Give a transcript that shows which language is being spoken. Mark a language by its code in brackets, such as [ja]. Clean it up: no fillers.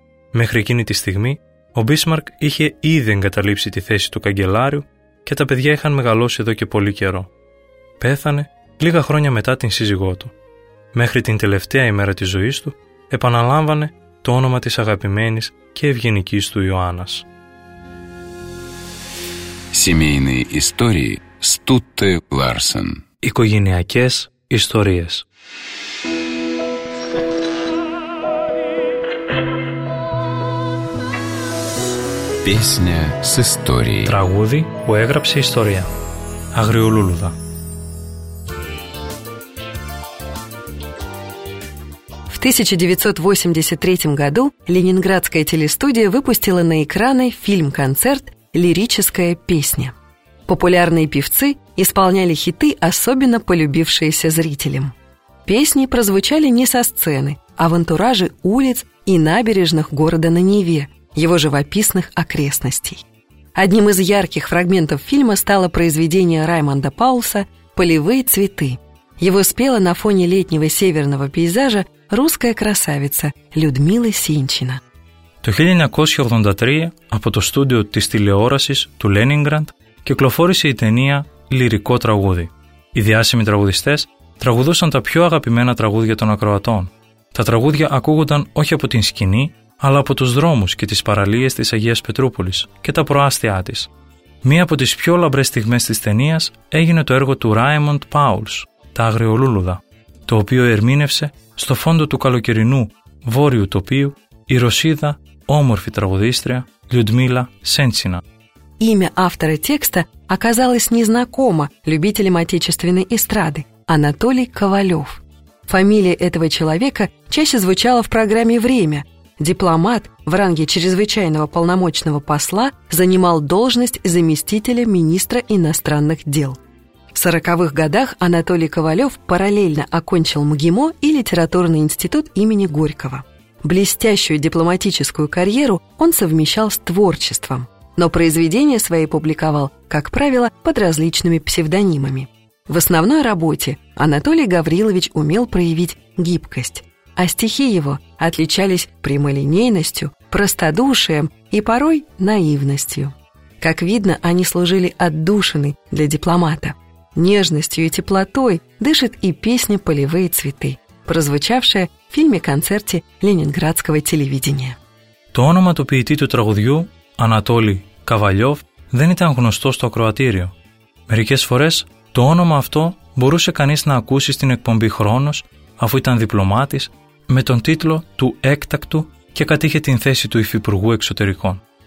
[el] Μέχρι εκείνη τη στιγμή, ο Μπίσμαρκ είχε ήδη εγκαταλείψει τη θέση του καγκελάριου και τα παιδιά είχαν μεγαλώσει εδώ και πολύ καιρό. Πέθανε λίγα χρόνια μετά την σύζυγό του. Μέχρι την τελευταία ημέρα της ζωής του, επαναλάμβανε το όνομα της αγαπημένης και ευγενικής του Ιωάννας. [ru] Семейные истории Стутте Ларсен. [el] Οικογενειακές ιστορίες. [ru] Песня с историей. [el] Τραγούδι που έγραψε ιστορία. Αγριολούλουδα. [ru] В 1983 году ленинградская телестудия выпустила на экраны фильм-концерт «Лирическая песня». Популярные певцы исполняли хиты, особенно полюбившиеся зрителям. Песни прозвучали не со сцены, а в антураже улиц и набережных города на Неве, его живописных окрестностей. Одним из ярких фрагментов фильма стало произведение Раймонда Паулса «Полевые цветы». Его спела на фоне летнего северного пейзажа русская красавица Людмила Синчина. [el] Το 1983 από το στούντιο της τηλεόρασης του Λένιγκραντ κυκλοφόρησε η ταινία «Λυρικό τραγούδι». Οι διάσημοι τραγουδιστές τραγουδούσαν τα πιο αγαπημένα τραγούδια των ακροατών. Τα τραγούδια ακούγονταν όχι από την σκηνή, αλλά από τους δρόμους και τις παραλίες της Αγίας Πετρούπολης και τα προάστια της. Μία από τις πιο λαμπρές στιγμές της ταινίας έγινε το έργο του Ράιμοντ Πάουλς, «Τα Αγριολούλουδα», το οποίο ερμήνευσε στο φόντο του καλοκαιρινού βόρειου τοπίου η Ρωσίδα όμορφη τραγουδίστρια Λιουντμίλα Σέντσινα. [ru] Имя автора текста оказалось незнакомо любителям отечественной эстрады – Анатолий Ковалев. Фамилия этого человека чаще звучала в программе «Время». Дипломат в ранге чрезвычайного полномочного посла занимал должность заместителя министра иностранных дел. В 40-х годах Анатолий Ковалев параллельно окончил МГИМО и Литературный институт имени Горького. Блестящую дипломатическую карьеру он совмещал с творчеством, но произведения свои публиковал, как правило, под различными псевдонимами. В основной работе Анатолий Гаврилович умел проявить гибкость, а стихи его отличались прямолинейностью, простодушием и порой наивностью. Как видно, они служили отдушиной для дипломата. Нежностью и теплотой дышит и песня «Полевые цветы», прозвучавшая в фильме-концерте Ленинградского телевидения. [el] То όνομα του ποιητή του τραγουδιού, Анатолий Ковалев, δεν ήταν γνωστό στο ακροατήριο. Μερικές φορές το όνομα αυτό μπορούσε κανείς να ακούσει στην εκπομπή «Χρόνος», αφού ήταν διπλωμάτης, με τον τίτλο του έκτακτου και κατήχε την θέση του Υφυπουργού Εξωτερικών.